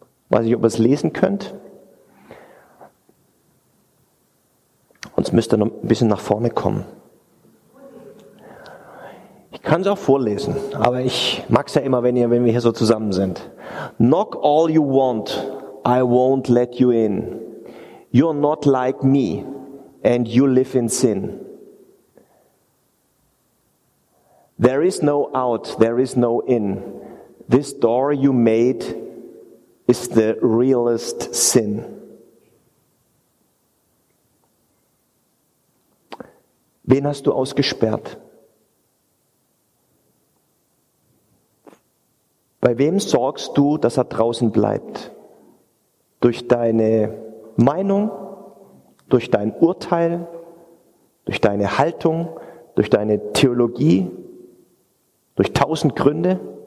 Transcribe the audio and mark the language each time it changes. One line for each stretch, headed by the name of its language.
German: Weiß nicht, ob ihr es lesen könnt. Sonst müsst ihr noch ein bisschen nach vorne kommen. Ich kann es auch vorlesen, aber ich mag es ja immer, wenn wir hier so zusammen sind.
English: Knock all you want, I won't let you in. You're not like me, and you live in sin. There is no out, there is no in. This door you made is the realest sin.
German: Wen hast du ausgesperrt? Bei wem sorgst du, dass er draußen bleibt? Durch deine Meinung, durch dein Urteil, durch deine Haltung, durch deine Theologie, durch tausend Gründe?